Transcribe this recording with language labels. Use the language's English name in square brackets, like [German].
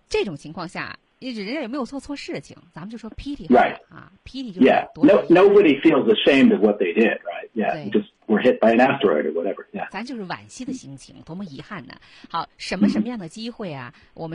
[Chinese] 这种情况下人家也没有做错事情咱们就说 pity 好了、right. 啊、pity 就是 [English] yeah. Nobody feels ashamed of what they did, right? Yeah, just were hit by an asteroid or whatever.、Yeah. [Chinese] 咱就是惋惜的心情多么遗憾呢好什么什么样的机会啊、mm-hmm.